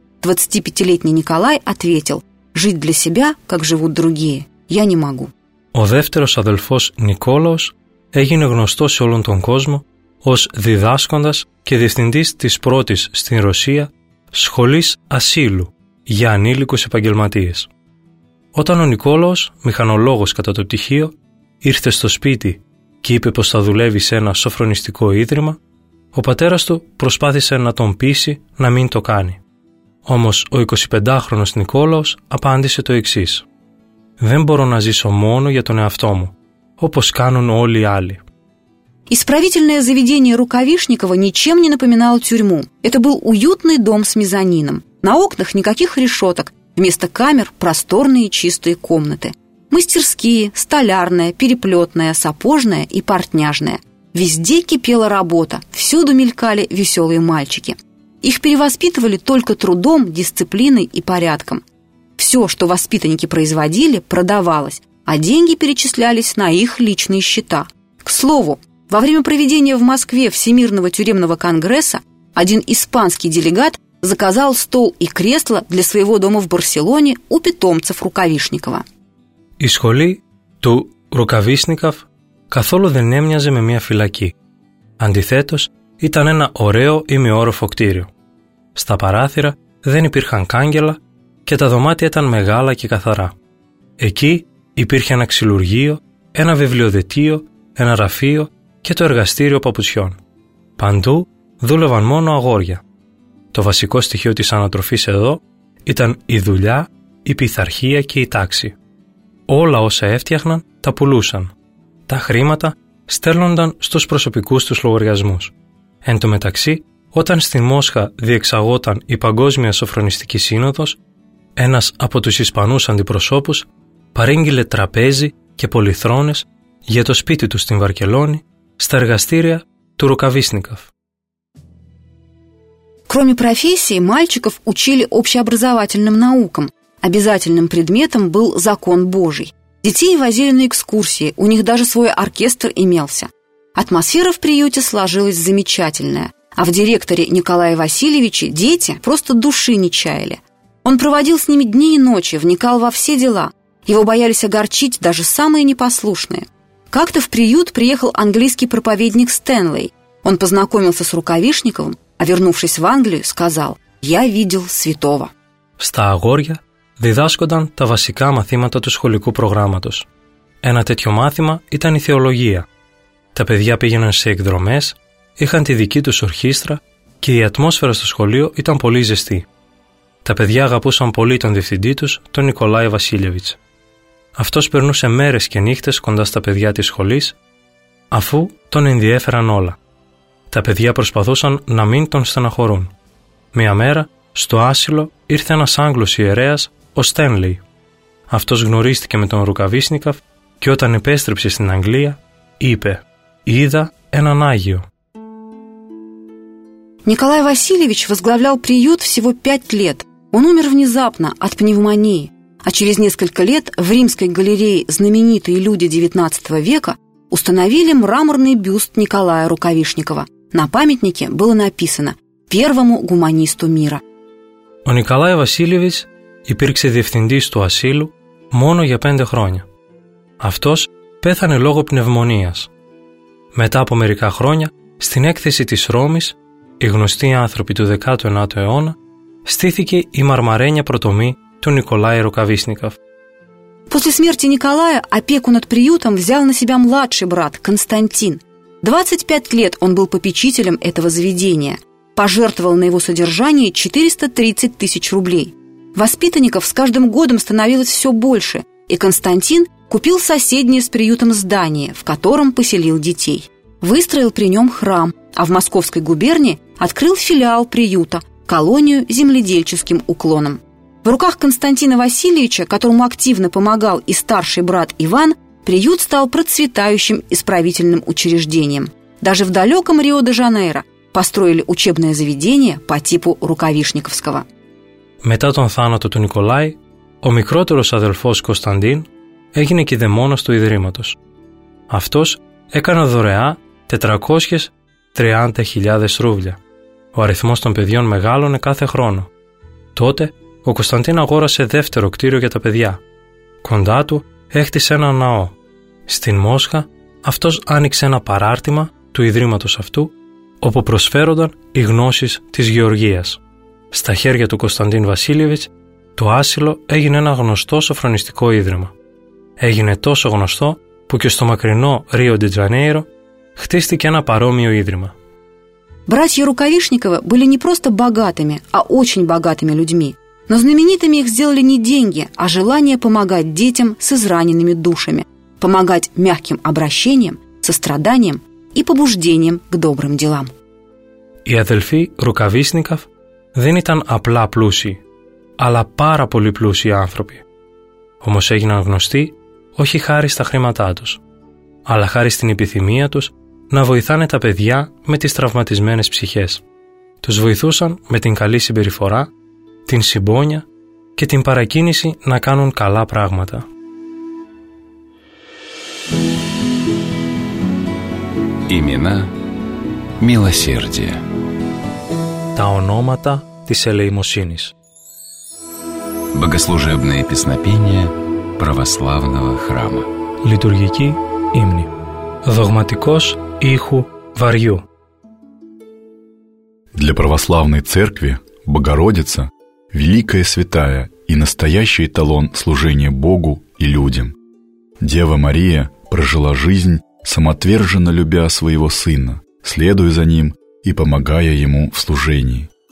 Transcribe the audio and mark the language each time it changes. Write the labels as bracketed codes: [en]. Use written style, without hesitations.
[ru] 25-летний Николай ответил: «Жить для себя, как живут другие, я не могу». О, второй [el] адельфос Николаус, έγινε γνωστός σε όλον τον κόσμο ως διδάσκοντας και διευθυντής της πρώτης στην Ρωσία σχολής ασύλου για ανήλικους επαγγελματίες. Όταν ο Νικόλαος, μηχανολόγος κατά το πτυχίο, ήρθε στο σπίτι και είπε πως θα δουλεύει σε ένα σοφρονιστικό ίδρυμα, ο πατέρας του προσπάθησε να τον πείσει να μην το κάνει. Όμως ο 25χρονος Νικόλαος απάντησε το εξής: «Δεν μπορώ να ζήσω μόνο για τον εαυτό μου, όπως κάνουν όλοι οι άλλοι». [ru] Исправительное заведение Рукавишникова ничем не напоминало тюрьму. Это был уютный дом с мезонином. На окнах никаких решеток. Вместо камер – просторные чистые комнаты. Мастерские, столярная, переплетная, сапожная и портняжная. Везде кипела работа, всюду мелькали веселые мальчики. Их перевоспитывали только трудом, дисциплиной и порядком. Все, что воспитанники производили, продавалось, а деньги перечислялись на их личные счета. К слову, во время проведения в Москве Всемирного тюремного конгресса один испанский делегат заказал стол и кресло для своего дома в Барселоне у питомцев Рукавишникова. [el] Η σχολή του Рукавишников καθόλου δεν έμοιαζε με μια φυλακή. Αντιθέτως, ήταν ένα ωραίο ημιόροφο κτίριο. Στα παράθυρα δεν υπήρχαν κάγκελα και τα δωμάτια ήταν μεγάλα και καθαρά. Εκεί υπήρχε ένα ξυλουργείο, ένα βιβλιοδετείο, ένα γραφείο και το εργαστήριο παπουτσιών. Παντού δούλευαν μόνο αγόρια. Το βασικό στοιχείο της ανατροφής εδώ ήταν η δουλειά, η πειθαρχία και η τάξη. Όλα όσα έφτιαχναν τα πουλούσαν. Τα χρήματα στέλνονταν στους προσωπικούς τους λογαριασμούς. Εν τω μεταξύ, όταν στη Μόσχα διεξαγόταν η Παγκόσμια Σοφρονιστική Σύνοδος, ένας από τους Ισπανούς αντιπροσώπους παρήγγειλε τραπέζι και πολυθρόνες για το σπίτι του στην Βαρκελόνη, στα εργαστήρια του Рукавишникова. [ru] Кроме профессии, мальчиков учили общеобразовательным наукам. Обязательным предметом был закон Божий. Детей возили на экскурсии, у них даже свой оркестр имелся. Атмосфера в приюте сложилась замечательная. А в директоре Николае Васильевиче дети просто души не чаяли. Он проводил с ними дни и ночи, вникал во все дела. Его боялись огорчить даже самые непослушные. Как-то в приют приехал английский проповедник Стэнли. Он познакомился с Рукавишниковым, а вернувшись в Англию, сказал: «Я видел святого». [el] Στα αγόρια διδάσκονταν τα βασικά μαθήματα του σχολικού προγράμματος. Ένα τέτοιο μάθημα ήταν η θεολογία. Τα παιδιά πήγαιναν σε εκδρομές, είχαν τη δική τους ορχήστρα και η ατμόσφαιρα στο σχολείο ήταν πολύ ζεστή. Τα παιδιά αγαπούσαν πολύ τον διευθυντή τους, τον Νικολάη Βασίλεβιτς. Αυτός περνούσε μέρες και νύχτες κοντά στα παιδιά της σχολής, αφού τον ενδιέφεραν όλα. Τα παιδιά προσπαθούσαν να μην τον στεναχωρούν. Μια μέρα, στο άσυλο, ήρθε ένας Άγγλος ιερέας, ο Στένλι. Αυτός γνωρίστηκε με τον Рукавишников και όταν επέστρεψε στην Αγγλία, είπε: «Είδα έναν Άγιο». [ru] Николай Васильевич возглавлял приют всего 5 лет. Он умер внезапно от пневмонии. А через несколько лет в Римской галерее знаменитые люди XIX века установили мраморный бюст Николая Рукавишникова. На памятнике было написано: «Первому гуманисту мира». [el] Ο Νικολάη Βασίλεβιτς υπήρξε διευθυντής του ασύλου μόνο για 5 χρόνια. Αυτός πέθανε λόγω πνευμονίας. Μετά από μερικά χρόνια, στην έκθεση της Ρώμης, οι γνωστοί άνθρωποι του 19ου αιώνα, στήθηκε η μαρμαρένια προτομή του Νικολάη Рукавишникова. [ru] После смерти Николая опеку над приютом взял на себя младший брат Константин. 25 лет он был попечителем этого заведения. Пожертвовал на его содержание 430 тысяч рублей. Воспитанников с каждым годом становилось все больше, и Константин купил соседнее с приютом здание, в котором поселил детей. Выстроил при нем храм, а в Московской губернии открыл филиал приюта, колонию с земледельческим уклоном. В руках Константина Васильевича, которому активно помогал и старший брат Иван, приют стал процветающим исправительным учреждением. Даже в далеком Рио-де-Жанейро построили учебное заведение по типу Рукавишниковского. [el] Μετά τον θάνατο του Νικολάη, ο μικρότερος αδελφός Κωνσταντίν έγινε κηδεμόνας του ιδρύματος. Αυτός έκανε δωρεά 430.000 ρούβλια. Ο αριθμός των παιδιών μεγάλωνε κάθε χρόνο. Τότε ο Κωνσταντίν αγόρασε δεύτερο κτίριο για τα παιδιά. Κοντά του έχτισε ένα ναό. Στην Μόσχα αυτός άνοιξε ένα παράρτημα του ιδρύματος αυτού, όπου προσφέρονταν οι γνώσεις της γεωργίας. Στα χέρια του Κωνσταντίν Βασίλειεβιτς, το άσυλο έγινε ένα γνωστό σοφρονιστικό ίδρυμα. Έγινε τόσο γνωστό που και στο μακρινό Ρίο ντε Τζανέιρο χτίστηκε ένα παρόμοιο ίδρυμα. [ru] Братья Рукавишниковы были не просто богатыми, а очень богатыми людьми. Но знаменитыми их сделали не деньги, а желание помогать детям с израненными душами, помогать мягким обращением, состраданием и побуждением к добрым делам. [el] Οι αδελφοί Рукавишников δεν ήταν απλά πλούσιοι, αλλά πάρα πολύ πλούσιοι άνθρωποι. Όμως έγιναν γνωστοί όχι χάρη στα χρήματά τους, αλλά χάρη στην επιθυμία τους να βοηθάνε τα παιδιά με τις τραυματισμένες ψυχές. Τους βοηθούσαν με την καλή συμπεριφορά, την συμπόνια και την παρακίνηση να κάνουν καλά πράγματα. [ru] Имена милосердия. [el] Τα ονόματα της ελεημοσύνης. [ru] Богослужебные песнопения православного храма. [el] Λειτουργική ύμνη. Δογματικός ήχου βαριού. [ru] Для православной церкви Богородица – великая святая и настоящий эталон служения Богу и людям. Дева Мария прожила жизнь, самоотверженно любя своего сына, следуя за ним и помогая ему в служении.